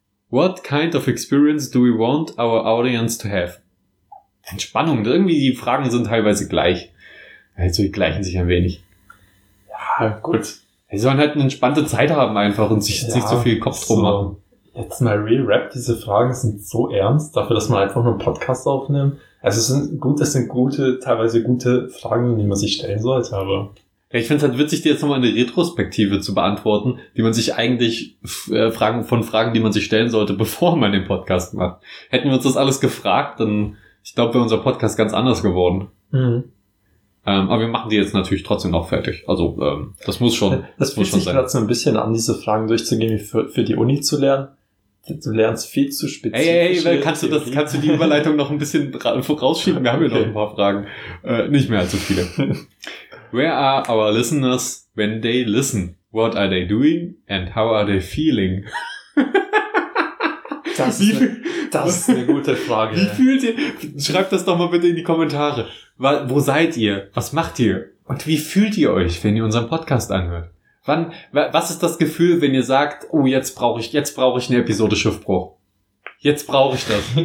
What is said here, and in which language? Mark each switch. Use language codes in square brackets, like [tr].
[en] What kind of experience do we want our audience to have? [de] Entspannung, irgendwie die Fragen sind teilweise gleich. Also die gleichen sich ein wenig. Ja, gut. Sie sollen halt eine entspannte Zeit haben einfach und sich jetzt nicht so viel Kopf drum machen. Jetzt mal Real Rap, diese Fragen sind so ernst, dafür, dass man einfach nur einen Podcast aufnimmt. Also es sind teilweise gute Fragen, die man sich stellen sollte, aber. Ja, ich finde es halt witzig, dir jetzt nochmal eine Retrospektive zu beantworten, die man sich eigentlich Fragen, die man sich stellen sollte, bevor man den Podcast macht. Hätten wir uns das alles gefragt, dann ich glaube, wäre unser Podcast ganz anders geworden. Mhm. Aber wir machen die jetzt natürlich trotzdem noch fertig. Also das muss schon sein. Das fühlt sich gerade so ein bisschen an, diese Fragen durchzugehen, für die Uni zu lernen. Du lernst viel zu spezifisch. Hey, kannst du die Überleitung noch ein bisschen vorausschieben? Wir haben ja noch ein paar Fragen. Nicht mehr allzu viele. [en] Where are our listeners when they listen? What are they doing and how are they feeling? [de] Das ist eine gute Frage. Wie fühlt ihr? Schreibt das doch mal bitte in die Kommentare. Wo seid ihr? Was macht ihr? Und wie fühlt ihr euch, wenn ihr unseren Podcast anhört? Was ist das Gefühl, wenn ihr sagt, oh, jetzt brauche ich eine Episode Schiffbruch. Jetzt brauche ich das.